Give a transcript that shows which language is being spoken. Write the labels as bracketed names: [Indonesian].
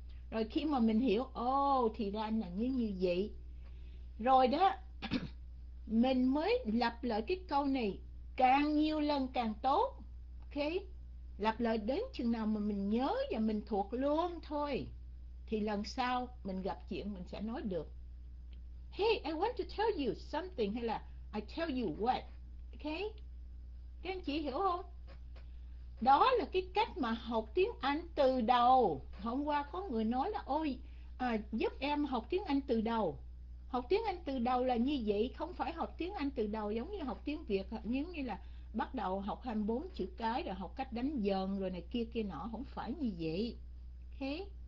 [Vietnamese] Rồi khi mà mình hiểu, ô thì ra anh là như vậy rồi đó. Mình mới lặp lại cái câu này càng nhiều lần càng tốt. Okay. Lặp lại đến chừng nào mà mình nhớ và mình thuộc luôn thôi thì lần sau mình gặp chuyện mình sẽ nói được. [English] Hey, I want to tell you something, [Vietnamese] hay là [English] I tell you what. [Vietnamese] Okay? Các anh chị hiểu không? Đó là cái cách mà học tiếng Anh từ đầu. Hôm qua có người nói là ôi, giúp em học tiếng Anh từ đầu. Học tiếng Anh từ đầu là như vậy, không phải học tiếng Anh từ đầu giống như học tiếng Việt, giống như là bắt đầu học 24 chữ cái rồi học cách đánh dần rồi này kia kia nọ, không phải như vậy. Okay.